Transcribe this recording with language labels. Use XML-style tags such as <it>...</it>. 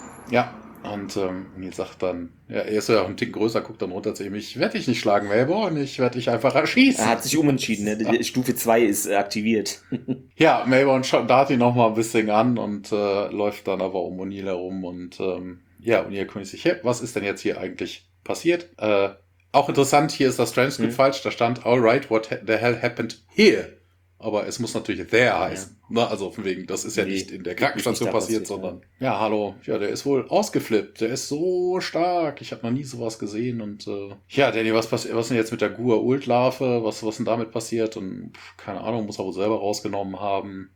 <de>Ja, und O'Neill sagt dann, ja, er ist ja auch ein Ticken größer, guckt dann runter zu ihm, ich werde dich nicht schlagen, Mayborn, ich werde dich einfach erschießen. Er hat sich umentschieden, ne? Stufe 2 ist aktiviert. Ja, Mayborn starrt ihn nochmal ein bisschen an und läuft dann aber um O'Neill herum und ja, O'Neill kümmert sich, hey, was ist denn jetzt hier eigentlich passiert. Auch interessant, hier ist das Transcript falsch. Da stand,</de> <en>all right, what the hell happened here?</en> <de>Aber es muss natürlich there heißen. Ja. Na, also von wegen, das ist ja nicht in der Krankenstation nicht passiert, sondern... Ja, hallo. Ja, der ist wohl ausgeflippt. Der ist so stark. Ich habe noch nie sowas gesehen. Und Danny, was ist denn jetzt mit der Gua-Ult-Larve? Was ist denn damit passiert? Und keine Ahnung, muss er wohl selber rausgenommen haben.</de>